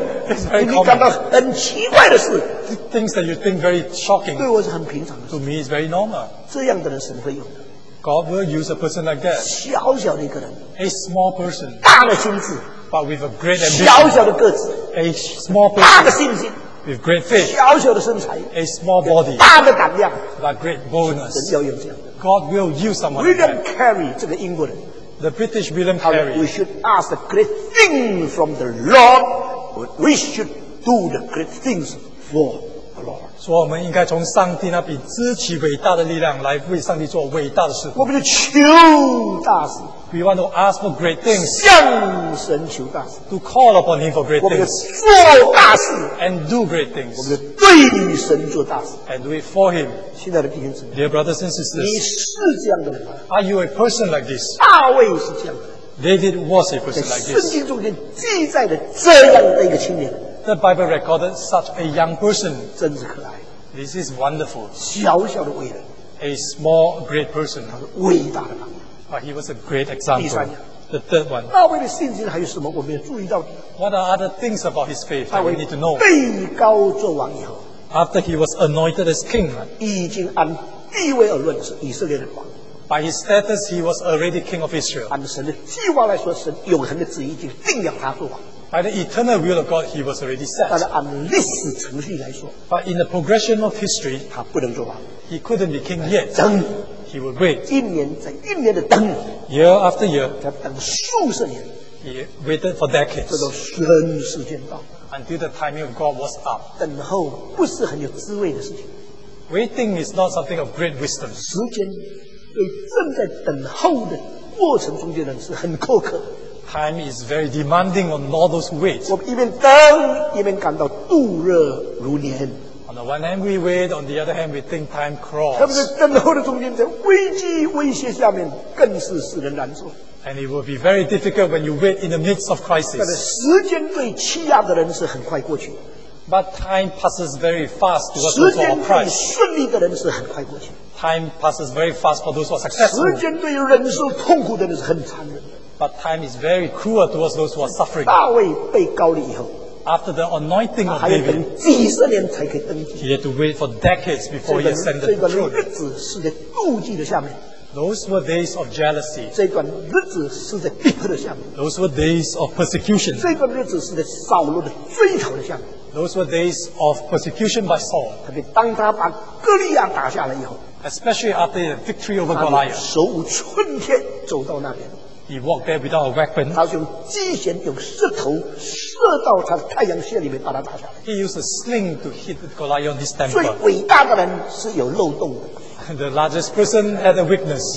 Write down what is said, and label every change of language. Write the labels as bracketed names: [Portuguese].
[Chinese] 对你是哈，对我是嘿，就是这样。你感到很奇怪的事。 [English] Things that you think very shocking. [Chinese] 对我是很平常的事。 [English] To me, it's very normal. [Chinese] 这样的人神会用的。 [English] God will use a person like that. [Chinese] 小小的一个人。 [English] A small person. [Chinese] 大的心智。 [English] But with a great ambition. [Chinese] 小小的个子。 [English] A small person. [Chinese] 大的信心。 [English] With great faith. [Chinese] 小小的身材。 [English] A small body. [Chinese] 大的胆量。 [English] But great boldness. [Chinese] 神要用这样的。 [English] God will use someone like that. [Chinese] William Carey, 这个英国人。 [English] The British William Carey. We should ask the great thing from the Lord, but we should do the great things for the Lord. [Chinese] 所以我们应该从上帝那边支取伟大的力量来为上帝做伟大的事。我们就求大事。 [English] We want to ask for great things. [Chinese] 向神求大事。 [English] To call upon him for great things. [Chinese] 我们就做大事。 [English] And do great things. [Chinese] 我们就对神做大事。 [English] And do it for him. [Chinese] 亲爱的弟兄姊妹, [English] dear brothers and sisters, [Chinese] 你是这样的人吗? [English] Are you a person like this? [Chinese] 大卫是这样的。 [English] David was a person like this. [Chinese] 圣经中间记载的这样的一个青年。 [English] The Bible recorded such a young person. [Chinese] 真是可爱。 [English] This is wonderful. [Chinese] 小小的伟人。 [English] A small, great person. [Chinese] 他是伟大的榜样。 [English] But he was a great example. [Chinese] 第三样。 [English] The third one. [Chinese] 大卫的信心还有什么我们要注意到的。 [English] What are other things about his faith that we need to know? [Chinese] 被高作王以后。 [English] After he was anointed as king. [Chinese] 已经按地位而论是以色列的王。 [English] By his status, he was already king of Israel. [Chinese] 按神的计划来说，神永恒的旨意已经定了他作王。 [English] By the eternal will of God, he was already set. [Chinese] 但是按历史程序来说 [English] ，But in the progression of history, [Chinese] 他不能做王。 [English] He couldn't be king yet. [Chinese] 等 [English] ，He would wait. [Chinese] 一年再一年的等 [English] ，Year after year. [Chinese] 他等数十年。 [English] He waited for decades. [Chinese] 直到神时间到。 [English] Until the timing of God was up. [Chinese] 等候不是很有滋味的事情。 [English] Waiting is not something of great wisdom. [Chinese] 时间对正在等候的过程中间的人是很苛刻的。 [English] Time is very demanding on all those who wait. [Chinese] 我们一边等，一边感到度日如年。 [English] On the one hand we wait, on the other hand we think time crawls. [Chinese] 特别是等候的中间，在危机威胁下面，更是使人难受。 [English] And it will be very difficult when you wait in the midst of crisis. [Chinese] 但是时间对欺压的人是很快过去。 [English] But time passes very fast to those who are Christ. [Chinese] 时间对顺利的人是很快过去。 [English] Time passes very fast for those who are successful. [Chinese] 时间对忍受痛苦的人是很残忍的。 [English] But time is very cruel towards those who are suffering. [Chinese] 大卫被膏了以后 [English] ，After the anointing of David, [Chinese] 还要等几十年才可以登基。 [English] He had to wait for decades before he ascended the throne. [Chinese] 这段日子是在妒忌的下面。 [English] Those were days of jealousy. [Chinese] 这段日子是在逼迫的下面。 [English] Those were days of persecution. [Chinese] 这段日子是在扫罗的追讨的下面。 [English] Those were days of persecution by Saul. [Chinese] 特别当他把哥利亚打下来以后 [English] ，Especially after the victory over Goliath. [Chinese] 手无寸铁走到那边。 [English] He walked there without a weapon. [Chinese] 他用机弦用石头射到他的太阳穴里面把他打下来。 [English] He used a sling to hit Goliath on his temple. [Chinese] 最伟大的人是有漏洞的。 [English] The largest person had a weakness.